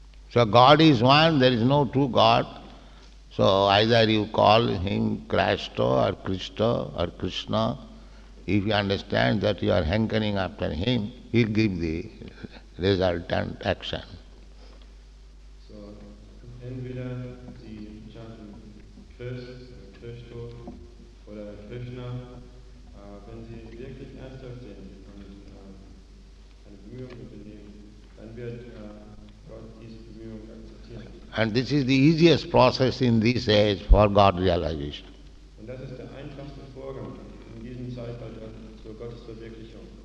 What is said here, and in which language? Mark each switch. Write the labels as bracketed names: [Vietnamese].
[English] So God is one, there is no true God. So either you call Him Christo or Krishna or Krishna, if you understand that you are hankering after Him, He'll give the resultant action. [German] So, entweder Sie chanten Christo oder Krishna, wenn Sie wirklich ernsthaft sind und eine Bemühung unternehmen, dann wird Gott diese Bemühung erkennen. [English] And this is the easiest process in this age for God realization. [German] Und das ist der einfachste Vorgang in diesem Zeitalter zur Gottesverwirklichung.